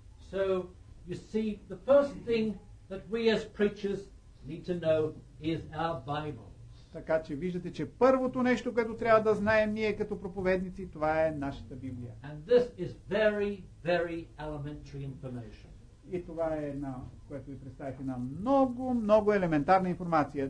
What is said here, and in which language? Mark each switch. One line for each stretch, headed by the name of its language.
English: So, you see, the first thing that we as preachers need to know is our Bible.
Bulgarian: Така че виждате, че първото нещо, което трябва да знаем ние като проповедници, това е нашата Библия.
English: And this is very, very elementary information.
Bulgarian: И това е една, което ви представих, една много, много елементарна информация.